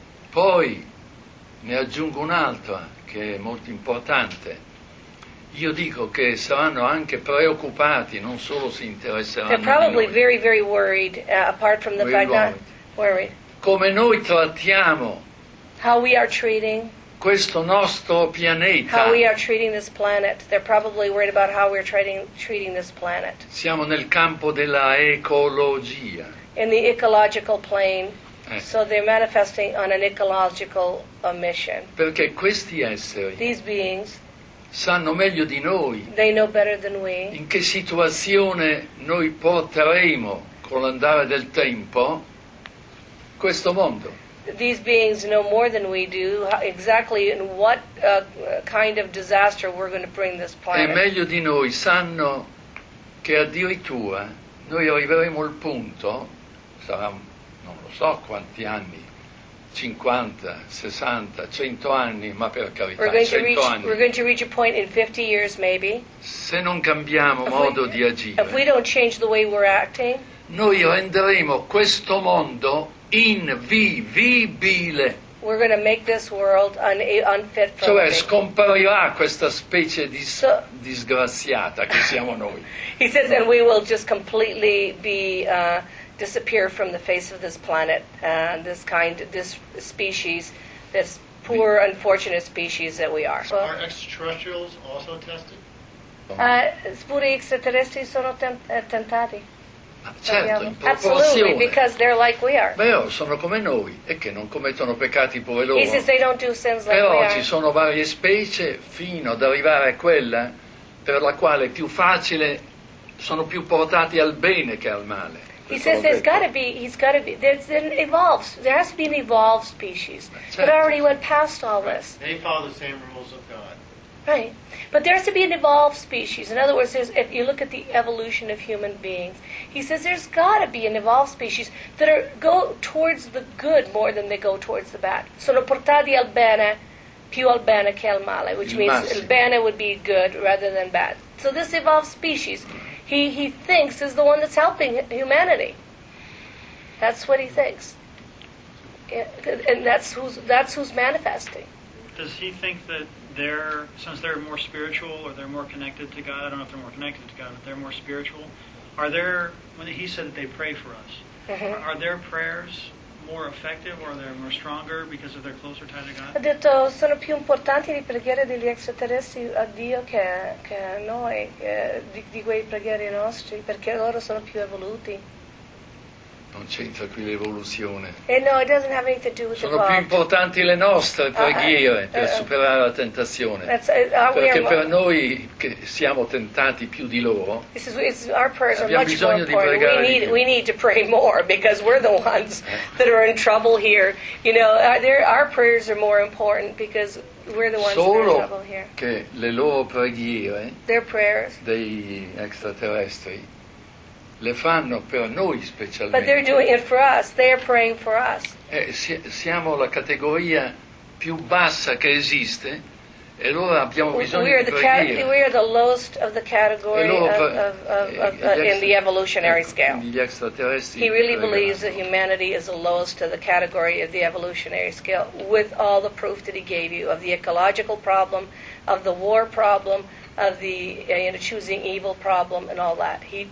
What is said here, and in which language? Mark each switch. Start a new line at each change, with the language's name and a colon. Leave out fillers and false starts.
Italian: Poi ne aggiungo un'altra che è molto importante. Io dico che saranno anche preoccupati, non solo si interesseranno.
English: They're probably very, very worried, apart from the fact that worried.
Italian: Come noi trattiamo?
English: How we are treating
Italian: questo nostro pianeta?
English: How we are treating this planet? They're probably worried about how we're treating this planet.
Italian: Siamo nel campo della ecologia.
English: In the ecological plane. So they're manifesting on an ecological mission.
Italian: Perché questi esseri?
English: These beings.
Italian: Sanno meglio di noi.
English: They know better than we.
Italian: In che situazione noi porteremo con l'andare del tempo questo mondo.
English: These beings know more than we do exactly in what kind of disaster we're going to bring this planet.
Italian: E meglio di noi sanno che addirittura noi arriveremo al punto, sarà non lo so quanti anni, 50, 60, 100 anni, ma per carità, 100 anni.
English: We're going to reach a point in 50 years, maybe.
Italian: Se non cambiamo modo di agire,
English: if we don't change the way we're acting,
Italian: noi renderemo questo mondo invivibile.
English: We're going to make this world unfit for living.
Italian: Cioè, scomparirà questa specie di disgraziata che siamo noi.
English: He says, and we will just completely be... disappear from the face of this planet and this species, this poor, unfortunate species that we are. So are extraterrestrials also tested?
Italian: Pure gli extraterrestri sono tentati. Certo,
English: absolutely, because they're like we are.
Italian: Beh, sono come noi e che non commettono peccati pure loro.
English: He says they don't do sins like
Italian: però
English: we are.
Italian: Però ci sono varie specie fino ad arrivare a quella per la quale è più facile, sono più portati al bene che al male.
English: He says there's got to be, there's an evolved, there has to be an evolved species that already went past all this. They follow the same rules of God. Right. But there has to be an evolved species. In other words, if you look at the evolution of human beings, he says there's got to be an evolved species that go towards the good more than they go towards the bad. Sono portati al bene, più al bene che al male, which means il bene would be good rather than bad. So this evolved species... He thinks is the one that's helping humanity. That's what he thinks, and that's who's manifesting. Does he think that since they're more spiritual or they're more connected to God? I don't know if they're more connected to God, but they're more spiritual. Are there when he said that they pray for us? Mm-hmm. Are their prayers more effective or are they more stronger because of their closer tie to God?
Italian: Ha detto sono più importanti le preghiere degli extraterrestri a Dio che noi di quei preghiere nostri perché loro sono più evoluti. Non c'entra qui l'evoluzione.
English: No, it doesn't have anything to do with
Italian: the Sono più importanti le nostre preghiere per superare la tentazione. Perché per noi che siamo tentati più di loro, abbiamo bisogno di pregare.
English: We need to pray more because we're the ones that are in trouble here. You know, our prayers are more important because we're the ones
Italian: solo
English: that are in trouble here.
Italian: Che le loro preghiere dei extraterrestri le fanno per noi specialmente.
English: But they're doing it for us. They are praying for us.
Italian: Siamo la categoria più bassa che esiste e loro abbiamo bisogno di preghiere.
English: We are the lowest of the category in the evolutionary scale.
Italian: Gli extraterrestri.
English: He really believes that humanity is the lowest of the category of the evolutionary scale, with all the proof that he gave you of the ecological problem, of the war problem, of the choosing evil problem and all that.